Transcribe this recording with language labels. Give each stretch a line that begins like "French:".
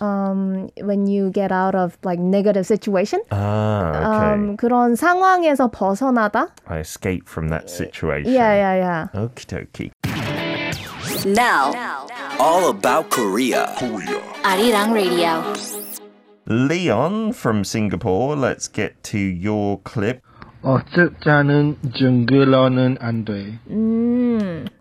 English: When you get out of like negative situation. Ah, okay.
Korean: 그런 상황에서 벗어나다.
English: I escape from that situation. Yeah. Okie dokie. Now, all about Korea. Korea. Arirang Radio. Leon from Singapore, let's get to your clip.
Korean: 어쭙잖은 증거로는 안 돼.